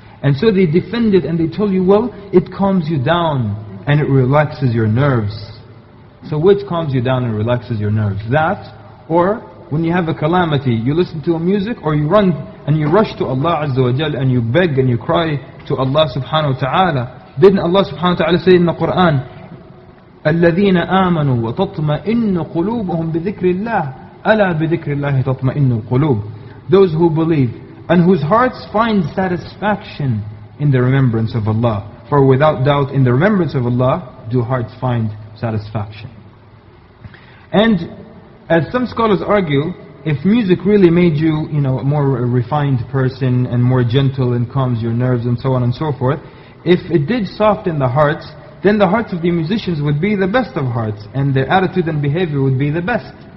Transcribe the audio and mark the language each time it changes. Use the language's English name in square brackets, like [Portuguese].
[English] And so they defend it and they tell you, well, it calms you down and it relaxes your nerves. So which calms you down and relaxes your nerves? That, or when you have a calamity, you listen to a music, or you run and you rush to Allah Azza wa Jal and you beg and you cry to Allah Subhanahu wa Ta'ala. Didn't Allah Subhanahu wa Ta'ala say in the Quran, [Arabic] الَّذِينَ آمَنُوا وَتَطْمَئِنُّ قُلُوبُهُمْ بِذِكْرِ اللَّهِ أَلَا بِذِكْرِ اللَّهِ تَطْمَئِنُّ الْقُلُوبِ. [English] Those who believe and whose hearts find satisfaction in the remembrance of Allah. For without doubt, in the remembrance of Allah, do hearts find satisfaction. And as some scholars argue, if music really made you, you know, a more refined person and more gentle and calms your nerves and so on and so forth, if it did soften the hearts, then the hearts of the musicians would be the best of hearts, and their attitude and behavior would be the best.